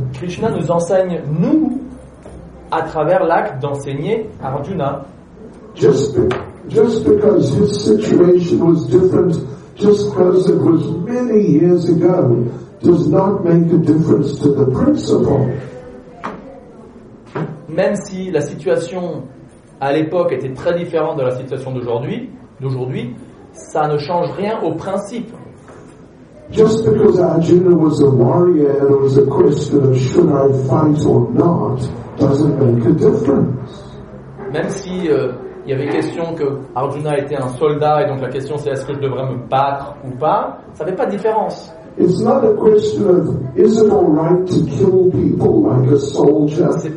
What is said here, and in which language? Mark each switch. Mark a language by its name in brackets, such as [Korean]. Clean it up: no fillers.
[French] Krishna nous enseigne nous à travers l'acte d'enseigner Arjuna. [English] Just because his situation was different, just because it was many years ago, does not make a difference to the principle. [French] Même si la situation à l'époque était très différente de la situation d'aujourd'hui, ça ne change rien au principe. [English] Just because Arjuna was a warrior and it was a question of should I fight or not, doesn't make a difference. [French] Même si il y avait question que Arjuna était un soldat et donc la question c'est est-ce que je devrais me battre ou pas, ça fait pas de différence. [English] It's not a question of is it all right to kill people like a soldier.